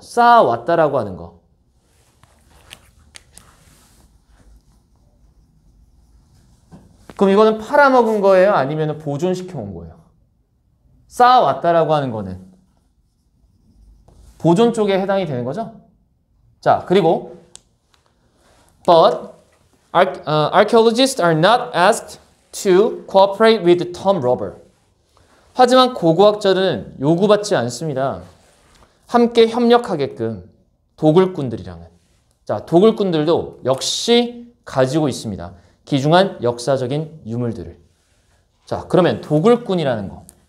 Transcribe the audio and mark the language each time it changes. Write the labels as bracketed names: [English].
[Korean] 쌓아왔다라고 하는 거. 그럼 이거는 팔아먹은 거예요? 아니면 보존시켜 온 거예요? 쌓아왔다라고 하는 거는 보존 쪽에 해당이 되는 거죠? 자, 그리고 [English] But archaeologists are not asked to cooperate with Tom Rober. [Korean] 하지만 고고학자들은 요구받지 않습니다. 함께 협력하게끔 도굴꾼들이랑은. 자, 도굴꾼들도 역시 가지고 있습니다. 귀중한 역사적인 유물들을. 자, 그러면 도굴꾼이라는 거.